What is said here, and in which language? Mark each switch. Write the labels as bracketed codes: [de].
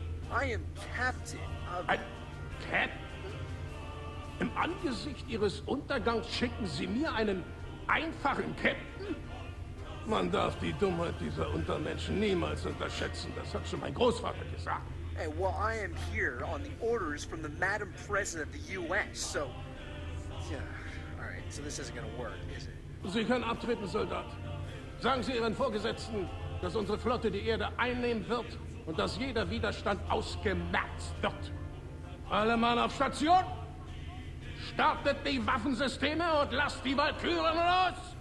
[en] I am Captain of... [de] Ein Captain? Im Angesicht Ihres Untergangs schicken Sie mir einen einfachen Captain? Man darf die Dummheit dieser Untermenschen niemals unterschätzen. Das hat schon mein Großvater gesagt. [en] Hey, well, I am here on the orders from the Madam President of the U.S., so... Yeah. All right. So this isn't gonna work, is it? [de] Sie können abtreten, Soldat. Sagen Sie Ihren Vorgesetzten, dass unsere Flotte die Erde einnehmen wird und dass jeder Widerstand ausgemerzt wird. Alle Mann auf Station! Startet die Waffensysteme und lasst die Walküren los!